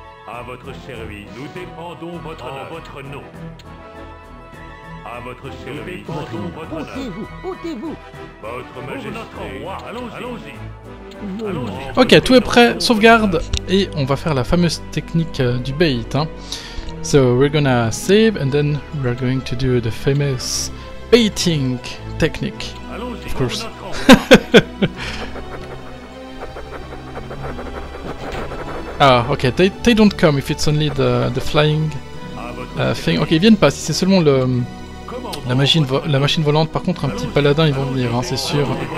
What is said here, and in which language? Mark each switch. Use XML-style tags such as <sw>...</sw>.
<fr>À votre service, nous défendons votre en votre nom. À votre service, nous défendons votre nom. Ôtez-vous. Votre majesté. Notre roi, allons-y. Ok, tout est prêt, sauvegarde, et on va faire la fameuse technique du bait. Hein.</fr> <en>So, we're gonna save, and then we're going to do the famous baiting technique, of course. Ah, ok, they don't come if it's only the flying thing.</en> <fr>Ok, ils viennent pas, si c'est seulement la machine volante, par contre un petit paladin, ils vont venir, hein, c'est sûr.</fr>